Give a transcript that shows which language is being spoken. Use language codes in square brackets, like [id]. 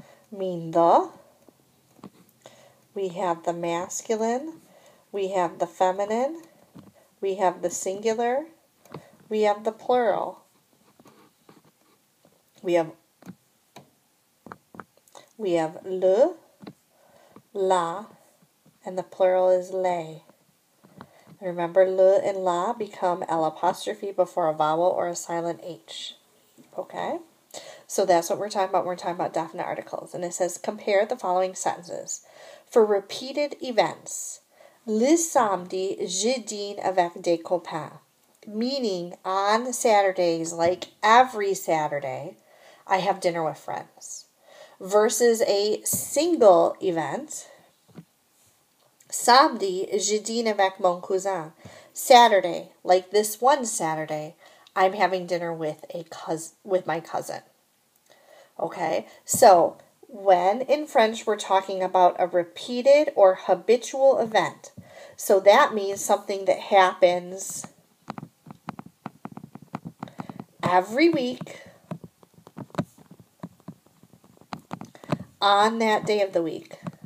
[en] Mean the, we have the masculine, we have the feminine, we have the singular, we have the plural, we have le, la, and the plural is les. Remember, le and la become l apostrophe before a vowel or a silent h. Okay? So that's what we're talking about when we're talking about definite articles. And it says, compare the following sentences. For repeated events, [fr] le samedi, je dîne avec des copains. [en] Meaning, on Saturdays, like every Saturday, I have dinner with friends. Versus a single event, [fr] samedi, je dîne avec mon cousin. [en] Saturday, like this one Saturday, I'm having dinner with my cousin. Okay, so when in French we're talking about a repeated or habitual event, so that means something that happens every week on that day of the week.